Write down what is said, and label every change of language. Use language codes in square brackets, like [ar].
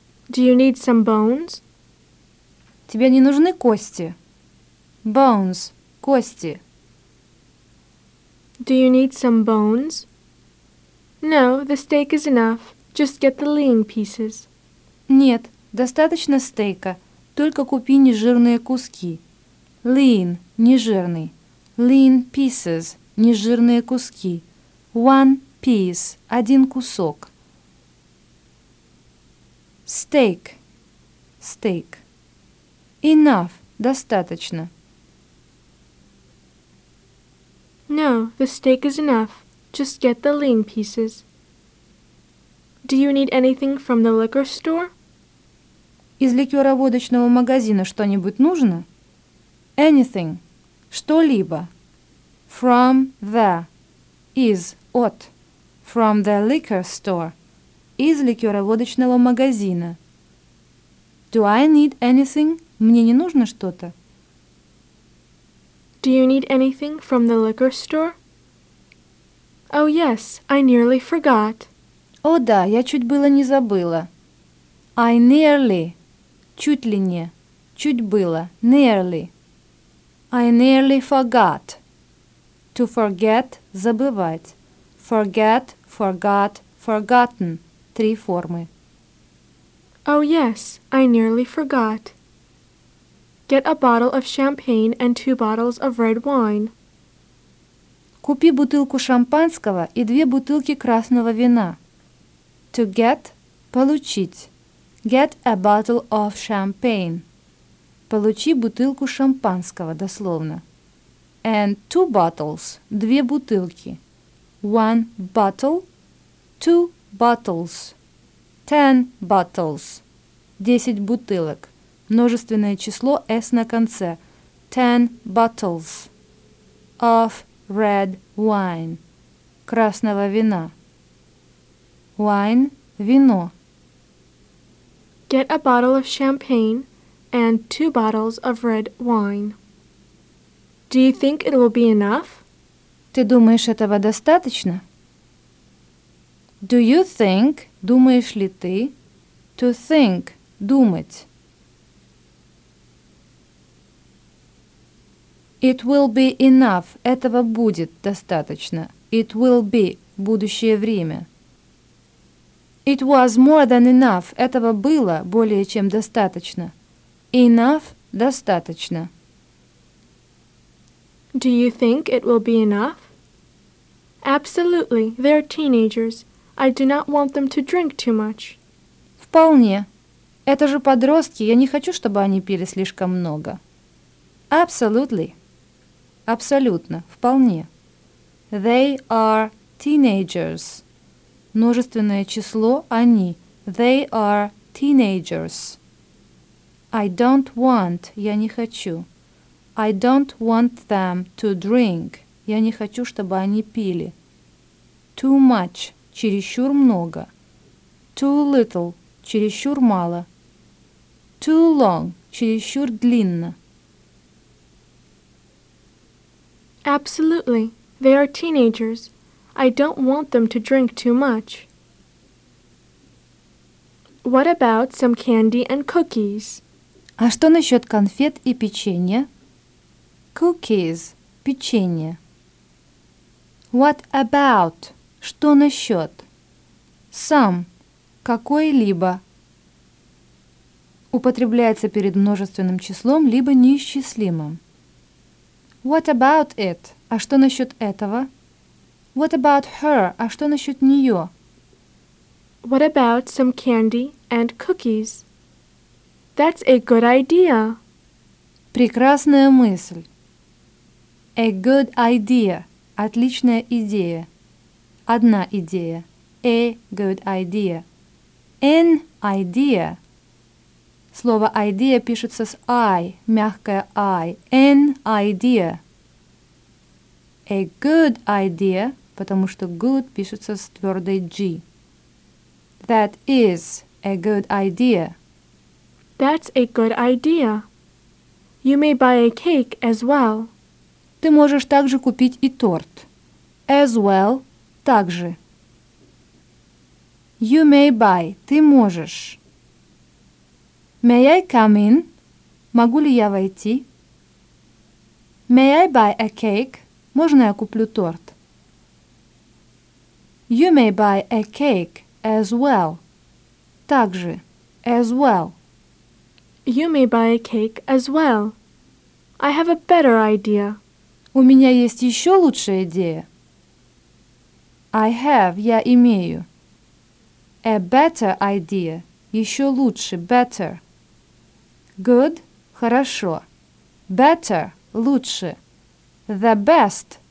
[en] Do you need some bones? [ru] Тебе не нужны кости? [en] Bones, кости. Do you need some bones? No, the steak is enough. Just get the lean pieces. [ru] Нет, достаточно стейка. Только купи нежирные куски. Lean – нежирный. [en] Lean pieces [ru] – нежирные куски. [en] One piece [ru] – один кусок. Steak – стейк. Enough – достаточно. [en] No, the steak is enough. Just get the lean pieces. Do you need anything from the liquor store? [ru] Из ликёроводочного магазина что-нибудь нужно? [en] Anything. Что-либо. From the. Is. От. From the liquor store. [ru] Из ликёроводочного магазина. [en] Do I need anything? [ru] Мне не нужно что-то. [en] Do you need anything from the liquor store? Oh, yes. I nearly forgot. [ru] О, да. Я чуть было не забыла. [en] I nearly... [ru] Чуть ли не. Чуть было. [en] Nearly. I nearly forgot. to forget – забывать. Forget, forgot, forgotten – [ru] три формы. [en] Oh yes, I nearly forgot. Get a bottle of champagne and two bottles of red wine. [ru] Купи бутылку шампанского и две бутылки красного вина. [en] To get – получить. Get a bottle of champagne. [ru] Получи бутылку шампанского, дословно. [en] And two bottles – [ru] две бутылки. [en] One bottle – two bottles. Ten bottles – [ru] 10 бутылок. Множественное число «s» на конце. [en] Ten bottles of red wine – [ru] красного вина. [en] Wine – вино. Get a bottle of champagne and two bottles of red wine. Do you think it will be enough? [ru] Ты думаешь, этого достаточно? [en] Do you think, [ru] думаешь ли ты? [en] To think, думать. It will be enough, [ru] этого будет достаточно. [en] It will be, [ru] будущее время. [en] It was more than enough. [ru] Этого было более чем достаточно. [en] Enough – достаточно. Do you think it will be enough? Absolutely. They are teenagers. I do not want them to drink too much. [ru] Вполне. Это же подростки. Я не хочу, чтобы они пили слишком много. Absolutely. Абсолютно. Вполне. [en] They are teenagers. [ru] Множественное число – они. [en] They are teenagers. I don't want – я не хочу. I don't want them to drink. [ru] Я не хочу, чтобы они пили. [en] Too much [ru] – чересчур много. [en] Too little [ru] – чересчур мало. [en] Too long [ru] – чересчур длинно. [en] Absolutely. They are teenagers. I don't want them to drink too much. What about some candy and cookies? [ru] А что насчет конфет и печенья? Cookies – печенье. [en] What about [ru] – что насчет? Some – какой-либо. Употребляется перед множественным числом, либо неисчислимым. [en] What about it [ru] – а что насчет этого? [en] What about her? [ru] А что насчет нее? [en] What about some candy and cookies? That's a good idea. [ru] Прекрасная мысль. [en] A good idea. [ru] Отличная идея. Одна идея. [en] A good idea. An idea. [ru] Слово idea пишется с I, мягкое I. [en] An idea. A good idea. [ru] Потому что good пишется с твердой G. [en] That is a good idea. That's a good idea. You may buy a cake as well. [ru] Ты можешь также купить и торт. As well – также. [en] You may buy – [ru] ты можешь. [en] May I come in? [ru] Могу ли я войти? [en] May I buy a cake? [ru] Можно я куплю торт? [en] You may buy a cake as well. [ru] Также. As well. [en] You may buy a cake as well. I have a better idea. [ru] У меня есть еще лучшая идея. [en] I have. [ru] Я имею. [en] A better idea. [ru] Еще лучше. [en] Better. Good. Хорошо. Better. Лучше. The best.